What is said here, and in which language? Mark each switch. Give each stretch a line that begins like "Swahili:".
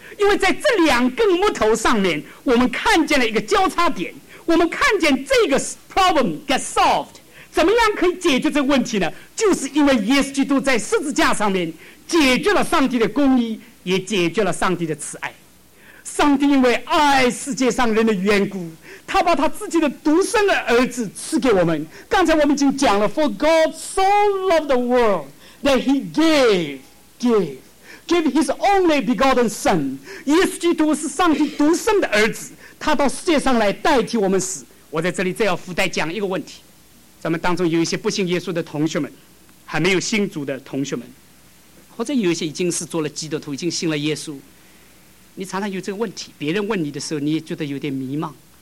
Chinese: 因为在这两根木头上面，我们看见了一个交叉点，我们看见这个
English: problem get solved。
Chinese: 怎么样可以解决这个问题呢？就是因为耶稣基督在十字架上面解决了上帝的公义，也解决了上帝的慈爱。上帝因为爱世界上人的缘故，他把他自己的独生的儿子赐给我们。刚才我们已经讲了，
English: For God so loved the world that he gave his only begotten son。
Chinese: 耶稣基督是上帝独生的儿子，他到世界上来代替我们死。我在这里再要附带讲一个问题，咱们当中有一些不信耶稣的同学们，还没有信主的同学们，或者有一些已经是做了基督徒，已经信了耶稣，你常常有这个问题，别人问你的时候你也觉得有点迷茫。